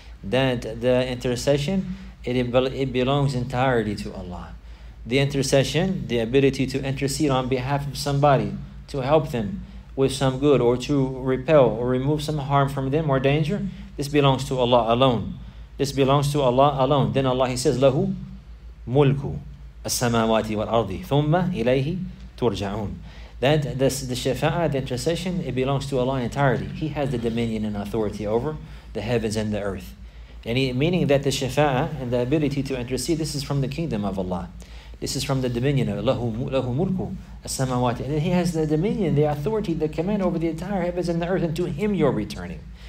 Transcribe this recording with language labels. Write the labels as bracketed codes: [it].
[en] That the intercession, it belongs entirely to Allah. The intercession, the ability to intercede on behalf of somebody, to help them with some good, or to repel or remove some harm from them or danger, this belongs to Allah alone. This belongs to Allah alone. Then Allah, he says, [ar] لَهُ مُلْكُ السَّمَاوَاتِ وَالْأَرْضِ ثُمَّ إِلَيْهِ تُرْجَعُونَ. [en] That this, the shafa'ah, the intercession, it belongs to Allah entirely. He has the dominion and authority over the heavens and the earth. And meaning that the shafa'ah and the ability to intercede, this is from the kingdom of Allah. This is from the dominion of Allah. [ar] لَهُ مُلْكُ السَّمَاوَاتِ. [en] And he has the dominion, the authority, the command over the entire heavens and the earth. And to him you're returning.